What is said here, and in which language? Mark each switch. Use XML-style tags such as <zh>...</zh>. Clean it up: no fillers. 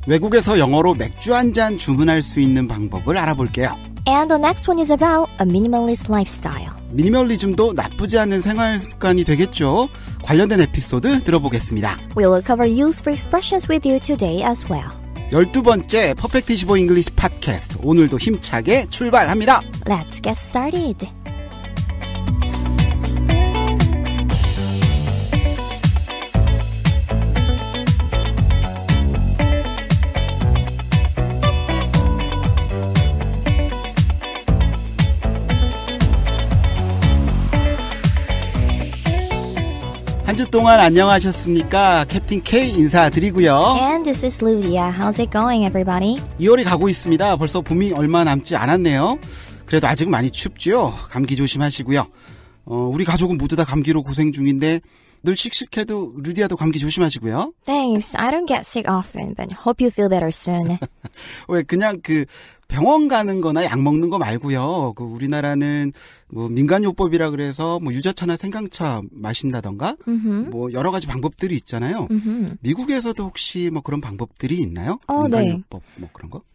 <ko>외국에서 영어로 맥주 한 잔 주문할 수 있는 방법을 알아볼게요.</ko> <en>And the next one is about a minimalist lifestyle.</en> <ko>미니멀리즘도 나쁘지 않은 생활 습관이 되겠죠. 관련된 에피소드 들어보겠습니다.</ko> <en>We will cover useful expressions with you today as well.</en> <ko>12번째 퍼펙트 25 English 팟캐스트 오늘도 힘차게 출발합니다.</ko> <en>Let's get started.</en> <ko>한 주 동안 안녕하셨습니까? 캡틴 K 인사드리고요.</ko> <en>And this is Ludia. How's it going, everybody?</en> <ko>2월이 가고 있습니다. 벌써 봄이 얼마 남지 않았네요. 그래도 아직 많이 춥죠? 감기 조심하시고요. 우리 가족은 모두 다 감기로 고생 중인데 늘 씩씩해도 루디아도 감기 조심하시고요.</ko> <en>Thanks. I don't get sick often, but hope you feel better soon.</en> <ko>왜 그냥 그 병원 가는 거나 약 먹는 거 말고요. 그 우리나라는 뭐 민간요법이라 그래서 뭐 유자차나 생강차 마신다던가 mm-hmm. 뭐 여러 가지 방법들이 있잖아요. Mm-hmm. 미국에서도 혹시 뭐 그런 방법들이 있나요? 민간요법 네. 뭐 그런 거?</ko>